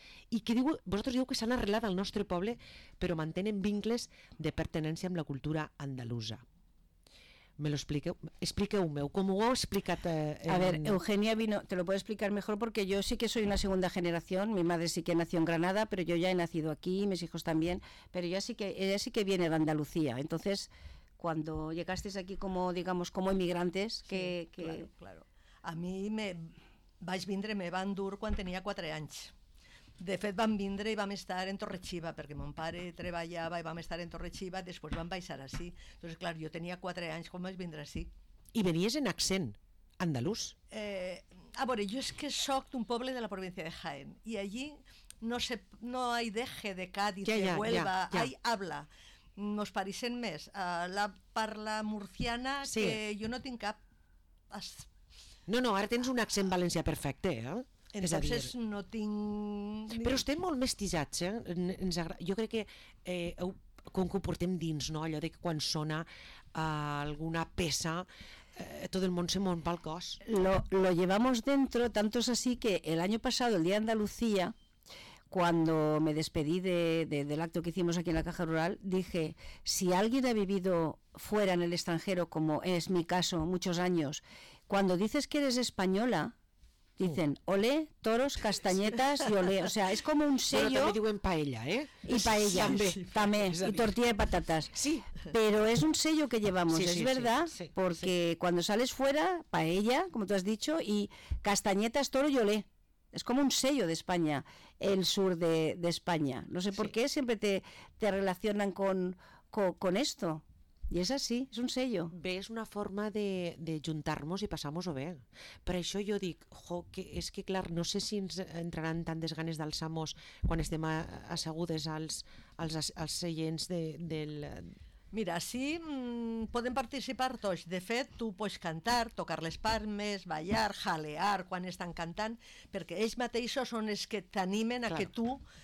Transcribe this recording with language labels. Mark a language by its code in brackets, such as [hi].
[ca] I que diu, vosaltres dieu que s'han arrelat al nostre poble, però mantenen vincles de pertenència amb la cultura andalusa. Me lo expliqueu, expliqueu-me, com ho heu explicat? [es] A ver, Eugenia vino, te lo puedo explicar mejor, porque yo sí que soy una segunda generación, mi madre sí que nació en Granada, pero yo ya he nacido aquí, mis hijos también, pero ella sí que viene de Andalucía, entonces, cuando llegasteis aquí como, digamos, como emigrantes, sí, que... Claro, claro. [ca] A mí me vaig vindre, me van dur quan tenia 4 anys. De fet, vam vindre i vam estar en Torre-xiva, perquè mon pare treballava i vam estar en Torre-xiva, després vam baixar així. Doncs, clar, jo tenia 4 anys, com vaig vindre així? I venies en accent andalús? A veure, jo és que soc d'un poble de la província de Jaén, i allí no, se, [es] no hay deje de Cádiz, ja, ja, de Huelva, ja, ja. Hay habla. [ca] Nos parixen més. La parla murciana, sí. Que jo no tinc cap... No, no, ara tens un accent valencià perfecte, eh? Entonces no tinc... Però estem molt mestitzats, eh? Ens agra... Jo crec que com que ho portem dins, no? Allò de que quan sona alguna peça tot el món se m'omple el cos. [es] Lo llevamos dentro, tanto es así que el año pasado, el día de Andalucía, cuando me despedí del acto que hicimos aquí en la Caja Rural, dije, si alguien ha vivido fuera en el extranjero, como es mi caso, muchos años, cuando dices que eres española... Dicen, olé, toros, castañetas y olé. O sea, es como un sello... Bueno, también digo en paella, ¿eh? Y paella, sí, también, y tortilla de patatas. Sí. Pero es un sello que llevamos, sí, es sí, verdad, sí, sí, porque sí. Cuando sales fuera, paella, como tú has dicho, y castañetas, toro y olé. Es como un sello de España, el sur de España. No sé por sí. Qué siempre te relacionan con esto. [ca] I és així, és un sello. Bé, és una forma de juntar-nos i passar-nos-ho bé. Per això jo dic, jo, que és que clar, no sé si ens entraran tantes ganes d'alçar-nos quan estem assegudes als seients del... Mira, sí, podem participar tots. De fet, tu pots cantar, tocar les palmes, ballar, jalear quan estan cantant, perquè ells mateixos són els que t'animen a clar. Que tu...